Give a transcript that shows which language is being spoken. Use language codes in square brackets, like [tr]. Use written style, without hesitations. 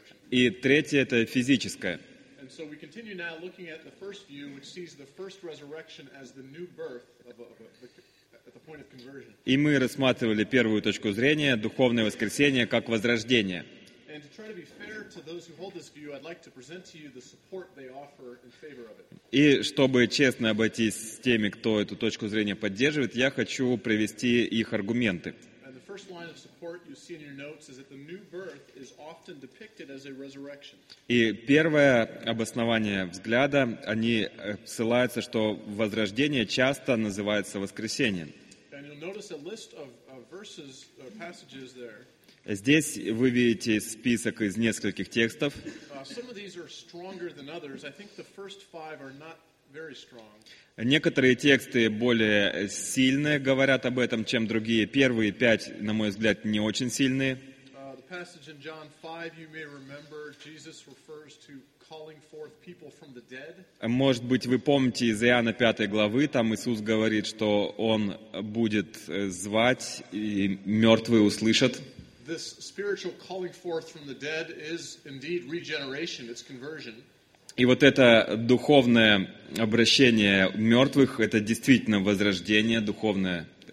[ru] И третья — это физическая. [en] So we continue now looking at the first view, which sees the first resurrection as the new birth at the point of conversion. [ru] И мы рассматривали первую точку зрения, духовное воскресение как возрождение. [en] And to try to be fair to those who hold this view, I'd like to present to you the support they offer in favor of it. [ru] И чтобы честно обойтись с теми, кто эту точку зрения поддерживает, я хочу привести их аргументы. [en] And the first line of support you see in your notes is that the new birth is often depicted as a resurrection. [ru] И первое обоснование взгляда, они ссылаются, что возрождение часто называется воскресением. [en] And you'll notice a list of verses or passages there. [ru] Здесь вы видите список из нескольких текстов. [en] Some of these are stronger than others. I think the first five are not very strong. [ru] Некоторые тексты более сильные говорят об этом, чем другие. Первые пять, на мой взгляд, не очень сильные. [en] The passage in John 5, you may remember, Jesus refers to calling forth people from the dead. [ru] Может быть, вы помните из Иоанна 5 главы, там Иисус говорит, что Он будет звать, и мертвые услышат. [en] This spiritual calling forth from the dead is indeed regeneration, it's conversion. [ru] И вот это духовное обращение мертвых, это действительно возрождение духовное.